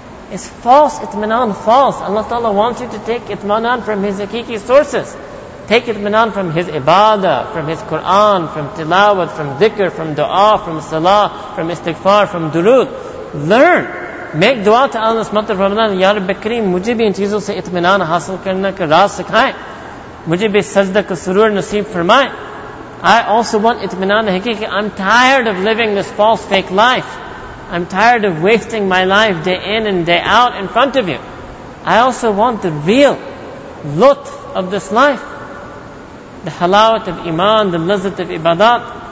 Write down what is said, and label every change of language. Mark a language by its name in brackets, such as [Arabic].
[English] It's false itmanan, false. Allah Ta'ala wants you to take itmanan from His hakiki sources. Take itmanan from His ibadah, from His Quran, from tilawat, from dhikr, from dua, from salah, from istighfar, from durood. Learn. Make dua to Allah this month of Ramadan. [Urdu] یا ربی کریم، مجھے بھی ان چیزوں سے اطمینان حاصل کرنا کا راز سکھائے۔ مجھے بھی سجدہ کا سرور نصیب فرمائے۔ [English] I also want itmanan hakiki. I'm tired of living this false fake life. I'm tired of wasting my life day in and day out in front of you. I also want the real lut of this life. The halawat of iman, the lizzat of ibadat.